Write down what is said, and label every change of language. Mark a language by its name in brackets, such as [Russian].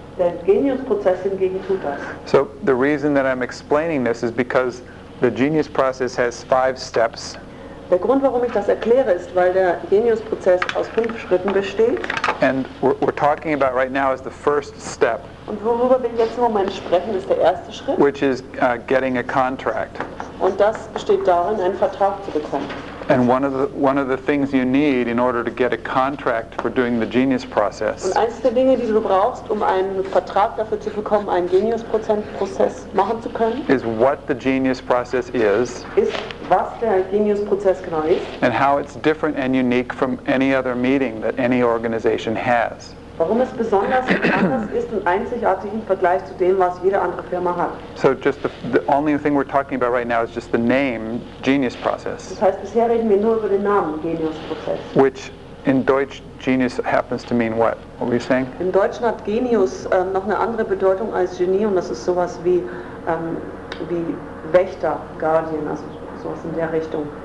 [English] So the reason that I'm explaining this is because the genius process has 5 steps. [German] Der Grund, warum ich das erkläre, ist, weil der Genius-Prozess aus 5 Schritten besteht. [English] And we're talking about right now is the first step. [German] Und worüber wir jetzt im Moment sprechen, ist der erste Schritt. [English] Which is getting a contract. [German] Und das besteht darin, einen Vertrag zu bekommen. [English] And one of the things you need in order to get a contract for doing the genius process. [German] Und eines der Dinge, die du brauchst, um einen Vertrag dafür zu bekommen, einen Genius-Prozess machen zu können, [English] is what the genius process is. [German] Ist was der Genius-Prozess genau ist. [English] And how it's different and unique from any other meeting that any organization has. [German] Warum es besonders anders ist und einzigartig im Vergleich zu dem, was jede andere Firma hat. [English] So just the only thing we're talking about right now is just the name, Genius Process. [German] Das heißt, bisher reden wir nur über den Namen, Genius Process. [English] Which in Deutsch, Genius happens to mean what? What were you saying? [German] Im Deutschen hat Genius noch eine andere Bedeutung als Genie, und das ist sowas wie, wie Wächter, Guardian, also sowas in der Richtung.